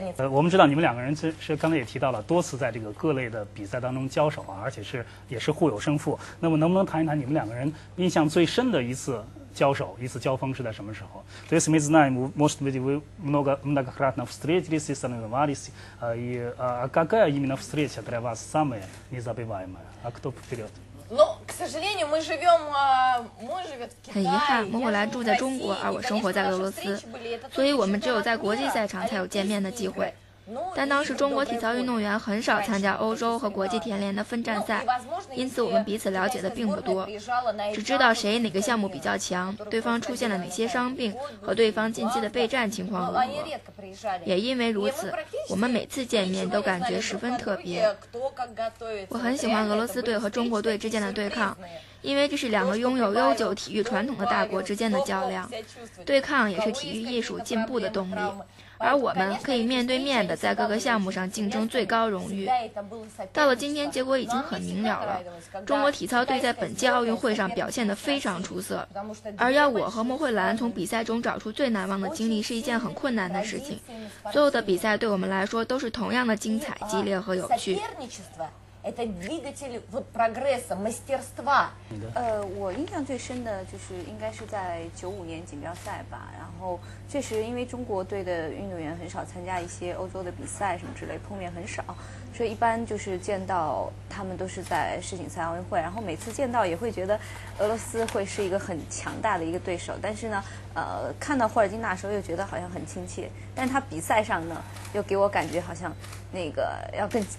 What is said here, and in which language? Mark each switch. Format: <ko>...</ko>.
<zh>我们知道你们两个人是刚才也提到了多次在这个各类的比赛当中交手啊，而且是也是互有胜负。那么能不能谈一谈你们两个人印象最深的一次交手、一次交锋是在什么时候？</zh> <ru>То есть мы знаем, может быть, вы многократно встретились и соревновались, а какая именно встреча для вас самая незабываемая? А кто вперед? Ну, к сожалению, мы живем, мы живем в Китае.</ru> <zh>很遗憾，莫慧兰住在中国，而我生活在俄罗斯，所以我们只有在国际赛场才有见面的机会。但当时中国体操运动员很少参加欧洲和国际体联的分站赛，因此我们彼此了解的并不多，只知道谁哪个项目比较强，对方出现了哪些伤病和对方近期的备战情况如何。也因为如此，我们每次见面都感觉十分特别。我很喜欢俄罗斯队和中国队之间的对抗，因为这是两个拥有悠久体育传统的大国之间的较量，对抗也是体育艺术进步的动力，而我们可以面对面的在各个项目上竞争最高荣誉。到了今天，结果已经很明了了，中国体操队在本届奥运会上表现得非常出色，而要我和莫慧兰从比赛中找出最难忘的经历是一件很困难的事情。所有的比赛对我们来说都是同样的精彩、激烈和有趣。</zh> <ru>Это двигатель вот прогресса, мастерства.</ru> <zh>我印象最深的就是应该是在95年锦标赛吧。然后确实因为中国队的运动员很少参加一些欧洲的比赛什么之类，碰面很少，所以一般就是见到他们都是在世锦赛、奥运会。然后每次见到也会觉得俄罗斯会是一个很强大的一个对手，但是呢，看到霍尔金娜的时候又觉得好像很亲切，但他比赛上呢又给我感觉好像那个要更。</zh>